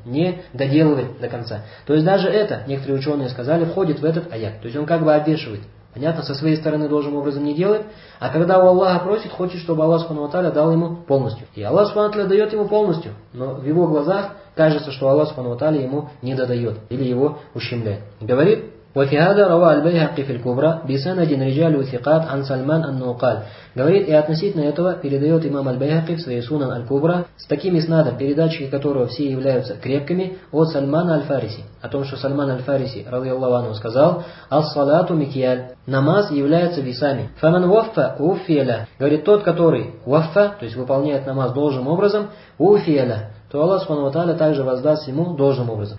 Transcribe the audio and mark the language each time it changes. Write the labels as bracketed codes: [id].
[ru] Не доделывает до конца. То есть даже это, некоторые ученые сказали, входит в этот аят. То есть он как бы обвешивает. Понятно, со своей стороны должным образом не делает. А когда у Аллаха просит, хочет, чтобы Аллах Субхану ва Тааля дал ему полностью. И Аллах Субхану ва Тааля дает ему полностью, но в его глазах кажется, что Аллах Субхану ва Тааля ему не додает или его ущемляет. Говорит, [ar] وَفِهَادَ رَوَى الْبَيْهَقِ فِي الْكُبْرَى بِسَنَدٍ رِجَالُ ثِقَاتْ عَنْ سَلْمَانَ أَنَّهُ قَالَ. [ru] Говорит, и относительно этого передает имам Аль-Байхаки в своей Сунан Аль-Кубра с такими снадом, передатчики которого все являются крепкими, от Сальмана Аль-Фариси. О том, что Сальман Аль-Фариси, радиаллаху анху, сказал, [ar] «Ас-салату микьяль» [ru] – «Намаз является весами». [ar] «Фаман вафа уфиля» [ru] – говорит, тот, который вафа, то есть выполняет намаз должным образом, уфиля, то Аллах Субхану ва Тааля также воздаст ему должным образом.